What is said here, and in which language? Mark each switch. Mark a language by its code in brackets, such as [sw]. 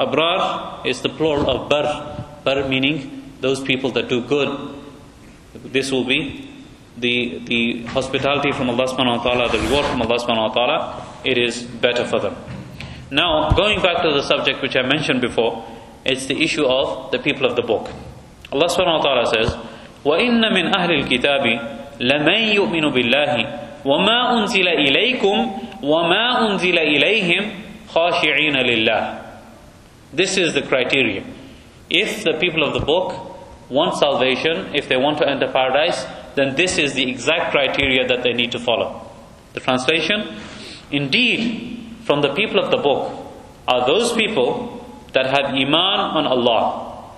[en] Abrar is the plural of bar. Bar meaning those people that do good. This will be the hospitality from Allah subhanahu wa ta'ala, the reward from Allah subhanahu wa ta'ala. It is better for them. Now, going back to the subject which I mentioned before, it's the issue of the people of the book. Allah subhanahu wa ta'ala says, [ar] وَإِنَّ مِنْ أَهْلِ الْكِتَابِ لَمَنْ يُؤْمِنُ بِاللَّهِ وَمَا أُنزِلَ إِلَيْكُمْ وَمَا أُنزِلَ إِلَيْهِمْ خَاشِعِينَ لِلَّهِ. [en] This is the criteria. If the people of the book want salvation, if they want to enter paradise, then this is the exact criteria that they need to follow. The translation, indeed, from the people of the book are those people that had iman on Allah.